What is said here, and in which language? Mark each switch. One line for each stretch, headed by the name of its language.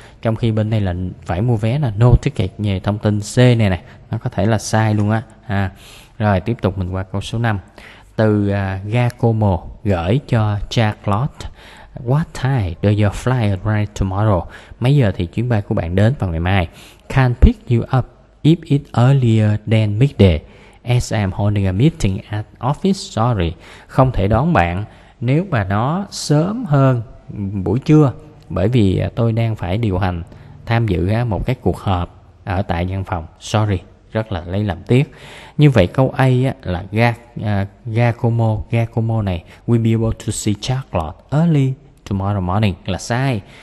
Vietnamese: Trong khi bên này là phải mua vé, là
English: no ticket.
Vietnamese: Như thông tin C này nè, nó có thể là sai luôn á. Rồi tiếp tục mình qua câu số 5. Từ ga Como gửi cho Charlotte,
English: what time do your flight arrive tomorrow,
Vietnamese: mấy giờ thì chuyến bay của bạn đến vào ngày mai.
English: Can pick you up if it's earlier than midday, as I'm holding a meeting at office.
Vietnamese: Sorry, không thể đón bạn nếu mà nó sớm hơn buổi trưa, bởi vì tôi đang phải điều hành, tham dự một cái cuộc họp ở tại văn phòng. Sorry, rất là lấy làm tiếc. Như vậy câu A là Giacomo này,
English: we'll be able to see Charlotte early tomorrow morning,
Vietnamese: là sai.